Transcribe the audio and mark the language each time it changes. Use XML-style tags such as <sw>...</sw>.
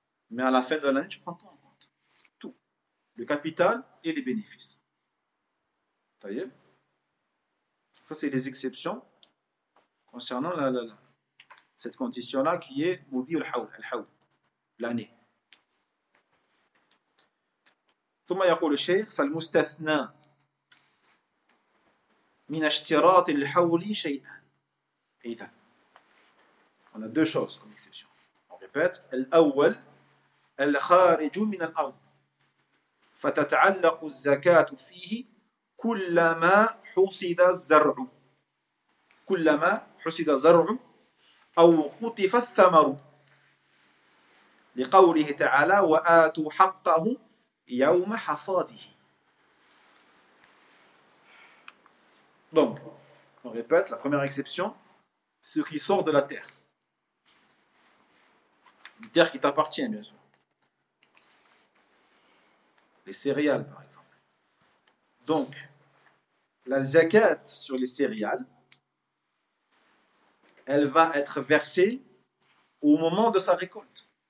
<fr>Mais à la fin de l'année, tu prends tout en compte. Le capital et les bénéfices. Ça y est? Ça, c'est les exceptions concernant cette condition-là qui est Moudi al-Hawl, l'année.</fr> <ar>ثم يقول الشيخ فالمستثنى من اشتراط الحول شيئا إذا</ar> <fr>on a deux choses comme exception on répète</fr> <ar>الأول الخارج من الأرض فتتعلق الزكاة فيه كلما حصد الزرع كلما حصد الزرع أو قطف الثمر لقوله تعالى وآتوا حقه يوم حصاده.</ar> <fr>Donc, on répète, la première exception, ce qui sort de la terre. Une terre qui t'appartient, bien sûr. Les céréales, par exemple. Donc, la zakat sur les céréales, elle va être versée au moment de sa récolte.</fr>